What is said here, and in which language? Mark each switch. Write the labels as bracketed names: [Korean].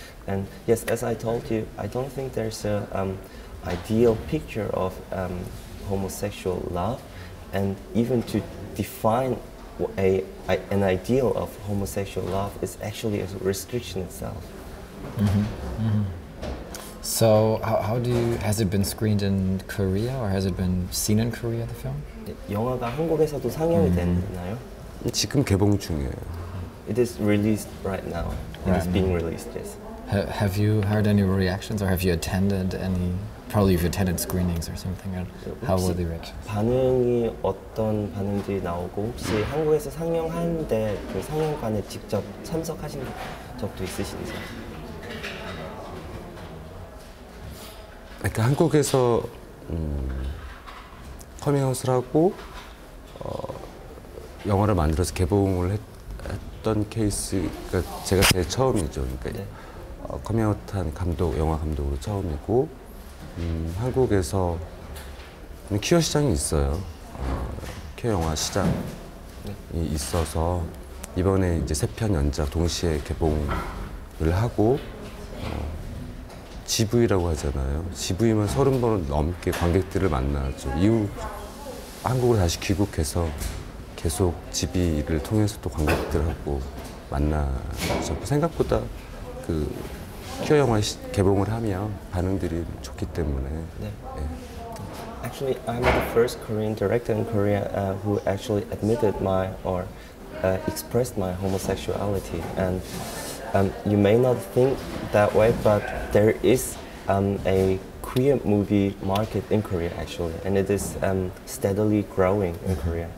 [English] And yes, as I told you, I don't think there's an ideal picture of homosexual love. And even to define an ideal of homosexual love is actually a restriction itself. Mm-hmm. Mm-hmm. So how do you, has it been screened in Korea or has it been seen in Korea, the film? [Korean] 영화가 한국에서도 상영이 됐나요? 지금 개봉 중이에요. [English] It is released right now. It is being released, yes. Have you heard any reactions or have you attended any, probably you've attended screenings or something? How were the reactions? [Korean] 반응이 어떤 반응이 나오고 혹시 한국에서 상영하는데 그 상영관에 직접 참석하신 적도 있으신지? 그러니까 한국에서 커밍아웃을 하고 영화를 만들어서 개봉을 했던 케이스가 제가 제일 처음이죠. 그러니까 네. 커밍아웃한 감독, 영화 감독으로 처음이고 한국에서 퀴어 시장이 있어요. 퀴어 영화 시장이 있어서 이번에 이제 세 편 연작 동시에 개봉을 하고 GV라고 하잖아요. GV만 30번 넘게 관객들을 만나죠. 이후 한국으로 다시 귀국해서 계속 GV를 통해서 또 관객들하고 만나죠. 생각보다 그 퀴어 영화 개봉을 하면 반응들이 좋기 때문에. 네. 네. [English] Actually, I'm the first Korean director in Korea who actually admitted my or expressed my homosexuality. And you may not think that way, but there is a queer movie market in Korea actually, and it is steadily growing in Korea.